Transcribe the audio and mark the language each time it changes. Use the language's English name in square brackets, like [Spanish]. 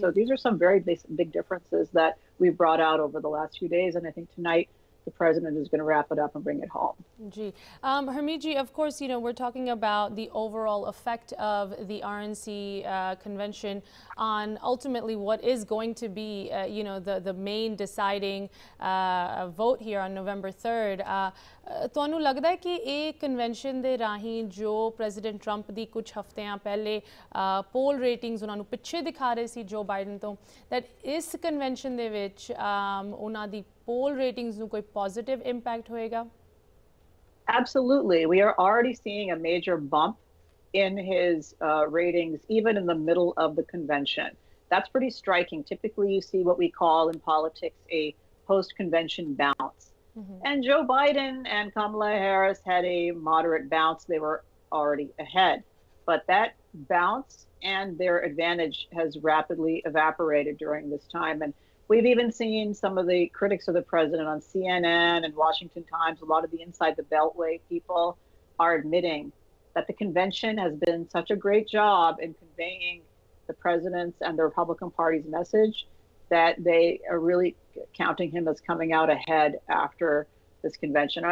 [English] So these are some very big differences that we've brought out over the last few days. And I think tonight, the president is going to wrap it up and bring it home. Harmeet ji, of course, you know, we're talking about the overall effect of the RNC convention on ultimately what is going to be, you know, the main deciding vote here on November 3rd. [Punjabi] ਤੁਹਾਨੂੰ ਲੱਗਦਾ ਹੈ ਕਿ ਇਹ convention ਦੇ ਰਾਹੀਂ ਜੋ president Trump ਦੀ ਕੁਝ ਹਫ਼ਤਿਆਂ ਪਹਿਲੇ ਪੋਲ ਰੇਟਿੰਗਸ ਉਹਨਾਂ ਨੂੰ ਪਿੱਛੇ ਦਿਖਾ ਰਹੇ ਸੀ ਜੋ ਬਾਈਡਨ ਤੋਂ, ਦੈਟ ਇਸ ਕਨਵੈਨਸ਼ਨ ਦੇ ਵਿੱਚ ਉਹਨਾਂ ਦੀ ਪੋਲ ਰੇਟਿੰਗਸ ਨੂੰ ਕੋਈ ਪੋਜ਼ਿਟਿਵ ਇੰਪੈਕਟ ਹੋਏਗਾ? [English] Absolutely, we are already seeing a major bump in his ratings even in the middle of the convention. That's pretty striking. Typically you see what we call in politics a post convention balance. And Joe Biden and Kamala Harris had a moderate bounce. They were already ahead. But that bounce and their advantage has rapidly evaporated during this time. And we've even seen some of the critics of the president on CNN and Washington Times, a lot of the inside the Beltway people are admitting that the convention has been such a great job in conveying the president's and the Republican Party's message that they are really counting him as coming out ahead after this convention.